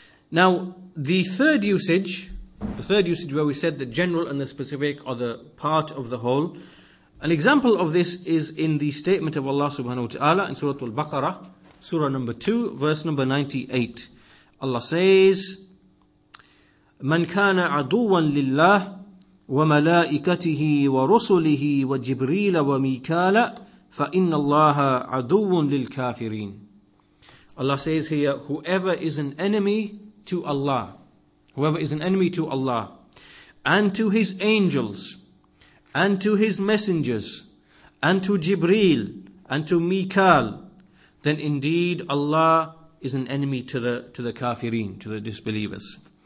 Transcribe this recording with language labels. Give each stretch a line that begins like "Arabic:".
English: Now, the third usage where we said the general and the specific are the part of the whole, an example of this is in the statement of Allah subhanahu wa ta'ala in Surah Al-Baqarah, Surah number 2, verse number 98. Allah says,
Arabic: مَنْ كَانَ عَدُوًا لِلَّهِ وَمَلَائِكَتِهِ وَرُسُلِهِ وَجِبْرِيلَ وَمِيكَالَ فَإِنَّ اللَّهَ عَدُوٌ لِلْكَافِرِينَ.
English: Allah says here, whoever is an enemy to Allah, whoever is an enemy to Allah, and to his angels, and to his messengers, and to Jibreel, and to Mikal, then indeed Allah is an enemy to the kafirin, to the disbelievers.